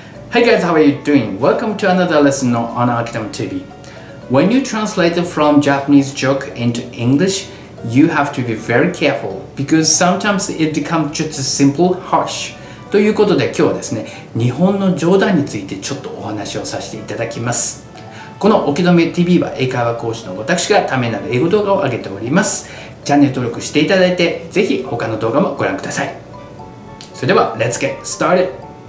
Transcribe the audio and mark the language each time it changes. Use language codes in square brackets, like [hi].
[en] Hey guys, how are you doing? Welcome to another lesson on Akitama TV. When you translate from Japanese joke into English, you have to be very careful because sometimes it becomes just simple harsh. [ja] ということで今日はですね、日本の冗談についてちょっとお話をさせていただきます。このアキタマ TV は英会話講師の私がためになる英語動画を上げております。チャンネル登録していただいて、ぜひ他の動画もご覧ください。それでは、 [en] Let's get started!